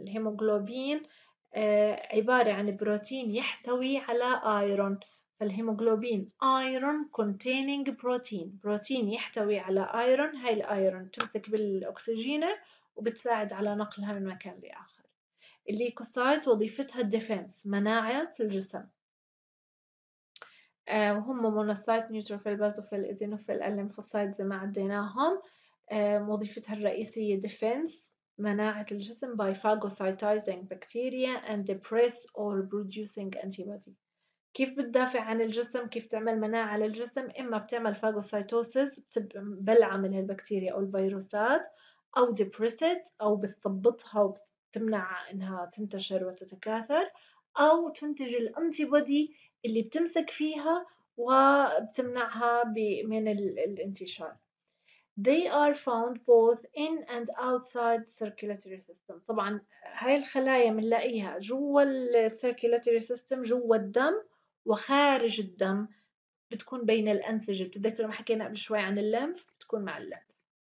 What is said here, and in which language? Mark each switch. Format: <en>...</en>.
<ar>الهيموغلوبين عبارة عن بروتين يحتوي على آيرون، فالهيموغلوبين آيرون</ar> <en>containing protein،</en> <ar>بروتين يحتوي على آيرون، هاي الآيرون تمسك بالأكسجين وبتساعد على نقلها من مكان لآخر. الليكوسايت وظيفتها الديفنس، مناعة في الجسم. وهم مونوسايت، نيوتروفيل، بازوفيل، إزينوفيل، الليمفوسايت زي ما عديناهم. وظيفتها الرئيسية ديفنس، مناعة الجسم،</ar> <en>by phagocytizing bacteria and depress or producing antibody.</en> <ar>كيف بتدافع عن الجسم؟ كيف تعمل مناعة على الجسم؟ إما بتعمل phagocytosis بلعم من البكتيريا أو الفيروسات، أو</ar> <en>depress it</en> <ar>أو بتضبطها وتمنع إنها تنتشر وتتكاثر، أو تنتج الأنتيبودي اللي بتمسك فيها وبتمنعها من الانتشار.</ar> <en>They are found both in and outside circulatory system.</en> <ar>طبعا هاي الخلايا بنلاقيها جوا circulatory system، جوا الدم وخارج الدم، بتكون بين الأنسجة. بتذكر ما حكينا قبل شوي عن الليمف، بتكون مع الليمف.</ar>